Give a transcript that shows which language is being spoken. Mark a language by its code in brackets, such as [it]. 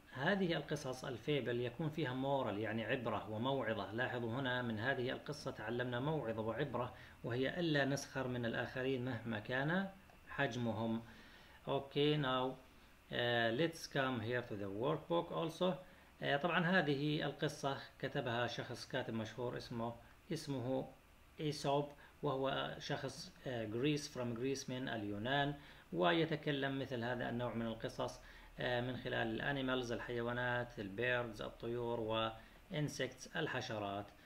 [ar] هذه القصص الفيبل يكون فيها مورال, يعني عبرة وموعظة. لاحظوا هنا, من هذه القصة تعلمنا موعظة وعبرة, وهي ألا نسخر من الآخرين مهما كان حجمهم. [en] Okay, now let's come here to the workbook also. [ar] طبعا هذه القصة كتبها شخص كاتب مشهور اسمه إيسوب, وهو شخص غريس, [en] from Greece, [ar] من اليونان, ويتكلم مثل هذا النوع من القصص من خلال الانيمالز, الحيوانات, البيردز, الطيور, وانسكتس, الحشرات.